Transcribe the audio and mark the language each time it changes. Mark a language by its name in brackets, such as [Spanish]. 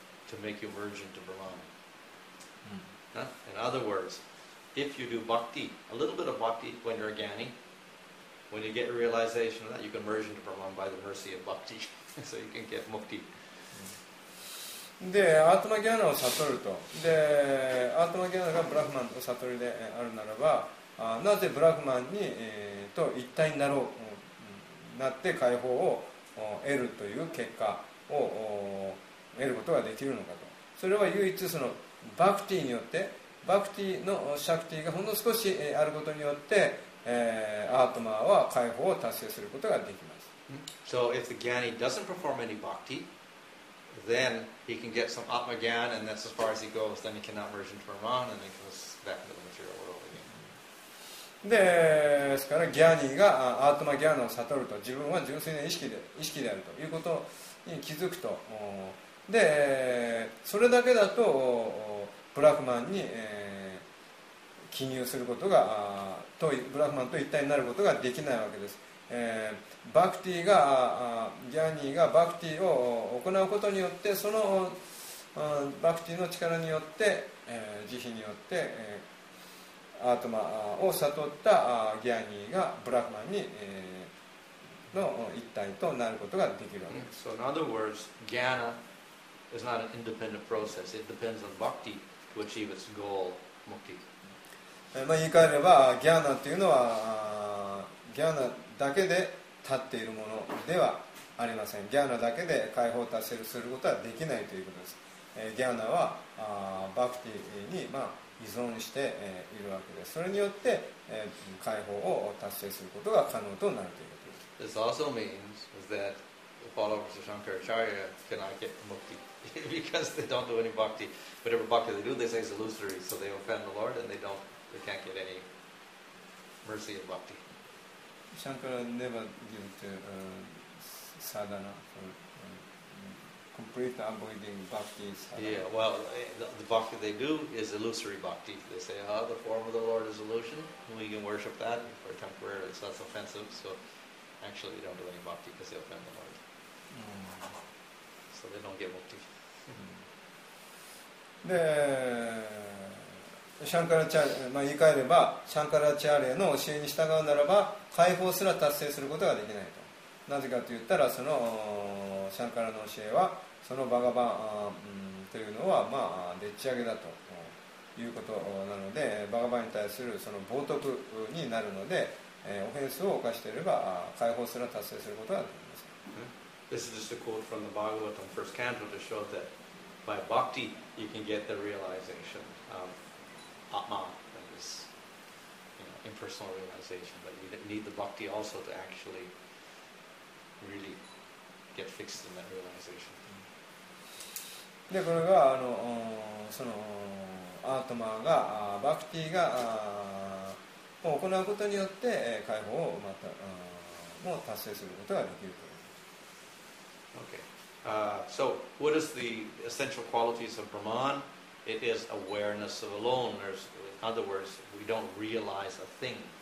[English] To make you merge into Brahman. In other words, if you do bhakti, a little bit of bhakti when you're a gyani, when you get a realization of that, you can merge into Brahman by the mercy of bhakti. So you can get mukti. [Japanese] で、アートマギャナを悟ると。で、アートマギャナがブラフマンの悟りであるならば、なぜブラフマンに、と一体になろう、なって解放を得るという結果を得ることができるのかと。それは唯一そのバクティによって、バクティのシャクティがほんの少しあることによって、アートマは解放を達成することができます。 [English] So if the Gyani doesn't perform any bhakti, then he can get some Atma Gyan, and that's as far as he goes. Then he cannot merge into Brahman, and he goes back into the material world again. [Japanese] ですから、Gyaniがアートマギャンを悟ると、自分は純粋な意識であるということに気づくと、で、それだけだと、ブラフマンに、記入することが、とブラフマンと一体になることができないわけです。バクティが、ギャニーがバクティを行うことによって、そのバクティの力によって、慈悲によって、アートマを悟ったギャニーがブラフマンに、の一体となることができるわけです。 [English] So in other words, Gyana is not an independent process. It depends on bhakti. To achieve its goal, mukti. [Japanese] まあ言い換えれば、ギャーナというのはギャーナだけで立っているものではありません。ギャーナだけで解放達成することはできないということです。ギャーナはバクティに、まあ、依存しているわけです。それによって、解放を達成することが可能となるということです。 [English] This also means that the followers of Shankaracharya cannot get mukti. Because they don't do any bhakti. Whatever bhakti they do, they say is illusory. So they offend the Lord and they can't get any mercy of bhakti. Shankara never gives sadhana for complete avoiding bhakti sadhana. Yeah, well, the bhakti they do is illusory bhakti. They say, the form of the Lord is illusion. We can worship that for temporarily. So that's offensive. So actually they don't do any bhakti because they offend the Lord. So they don't get mukti. [Japanese] でシャンカラチャーレ、まあ、言い換えればシャンカラチャーレの教えに従うならば解放すら達成することができないと。なぜかといったら、そのシャンカラの教えはそのバガバン、というのは、まあ、でっち上げだということなので、バガバンに対するその冒涜になるので、オフェンスを犯していれば解放すら達成することができません。 [English] This is just a quote from the Bhagavatam first canto to show that by bhakti,You can get the realization of Atma, that is, you know, impersonal realization. But you need the bhakti also to actually really get fixed in that realization. [Japanese] で、これがそのアートマが、バクティが行うことによって解放をまた、もう達成することができると。 [English] Okay. So, what is the essential qualities of Brahman? It is awareness of alone. There's, in other words, we don't realize a thing.